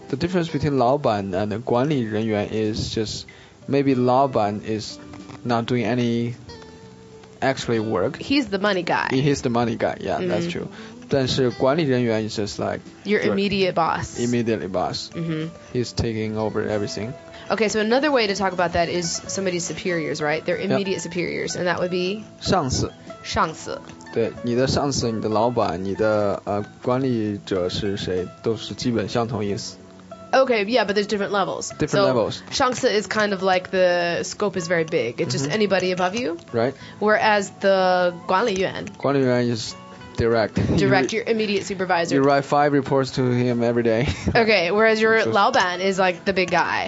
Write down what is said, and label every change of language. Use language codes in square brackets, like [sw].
[en] The difference between 老板 and 管理人员 is just maybe 老板 is not doing any actually work. He's the money guy. He's the money guy, yeah,、mm-hmm. that's true. [zh] 但是管理人员 [en] is just like... Your immediate boss. Immediately boss.、 Mm-hmm. He's taking over everything. Okay, so another way to talk about that is somebody's superiors, right? Their immediate、yep. superiors, and that would be? [zh] 上司。上司。对，你的上司、你的老板、你的管理者是谁，都是基本相同意思。 [en] Okay, yeah, but there's different levels. Different levels. Shangsi is kind of like the scope is very big. It's just anybody above you. Right. Whereas the Guanliyuan. Guanliyuan is direct. Direct, your immediate supervisor. You write 5 reports to him every day. Okay, whereas your Laoban is like the big guy.